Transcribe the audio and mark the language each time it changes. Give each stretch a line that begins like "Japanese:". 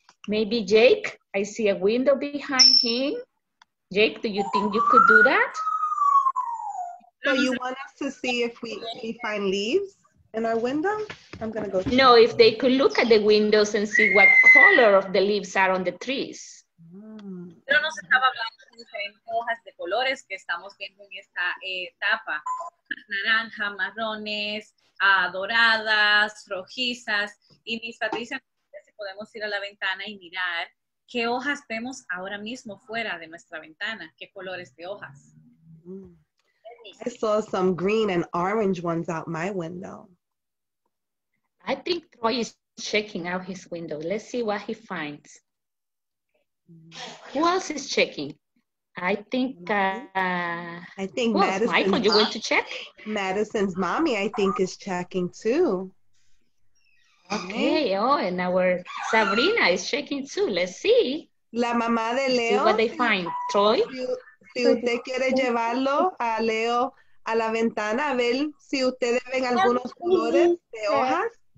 English: Maybe Jake, I see a window behind him. Jake, do you think you could do that? So you want us to see if we find leaves in our window? I'm gonna go check. No, if they could look at the windows and see what color of the leaves are on the trees.
Spanish: Pero no se estaba hablando de diferentes hojas de colores que estamos viendo en esta etapa. Naranja, marrones, doradas, rojizas. Y Miss Patricia, si podemos ir a la ventana y mirar qué hojas vemos ahora mismo fuera de nuestra ventana. ¿Qué colores de hojas?
English: I saw some green and orange ones out my window. I think Troy is checking out his window. Let's see what he finds. Who else is checking? I think Michael, you want to check? Madison's mommy, I think, is checking too. Okay, oh, and our Sabrina is checking too. Let's see.
Spanish: La mamá de Leo.
English: Let's see what they find. Troy?
Spanish: Si usted quiere llevarlo a Leo a la ventana, a ver si ustedes ven algunos colores de hojas.